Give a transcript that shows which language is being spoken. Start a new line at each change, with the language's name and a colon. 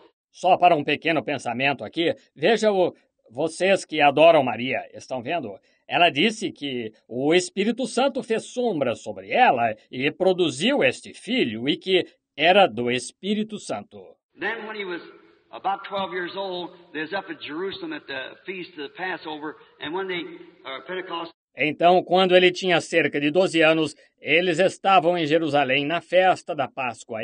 Portuguese: Só para um pequeno pensamento aqui, veja o vocês que adoram Maria, estão vendo? Ela disse que o Espírito Santo fez sombra sobre ela e produziu este filho e que era do Espírito Santo.
English: Then when he was about 12 years old, they was up at Jerusalem at the feast of the Passover, and when they Pentecost.
Portuguese: Então, quando ele tinha cerca de 12 anos, eles estavam em Jerusalém na festa da Páscoa.